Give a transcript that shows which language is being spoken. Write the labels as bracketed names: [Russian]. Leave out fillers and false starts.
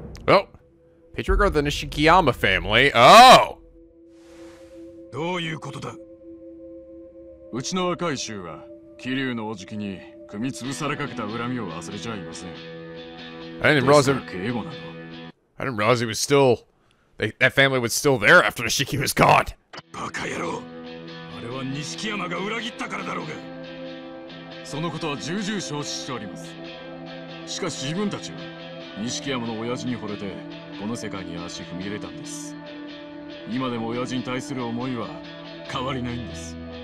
[English] Oh, patriarch of the Nishikiyama family. Oh! [Japanese] どういうことだ？うちの若い衆は、キリュウのおじきに組み潰されかけた恨みを忘れちゃいません。 [English] I didn't realize it... I didn't realize he was still... That family was still there after Nishiki was gone. [Japanese] バカ野郎。あれは Nishikiyama が裏切ったからだろうが。そのことは重々承知しております。しかし自分たちは、Nishikiyama の親父に惚れて、この世界に足踏み入れたんです。今でも親父に対する思いは変わりないんです。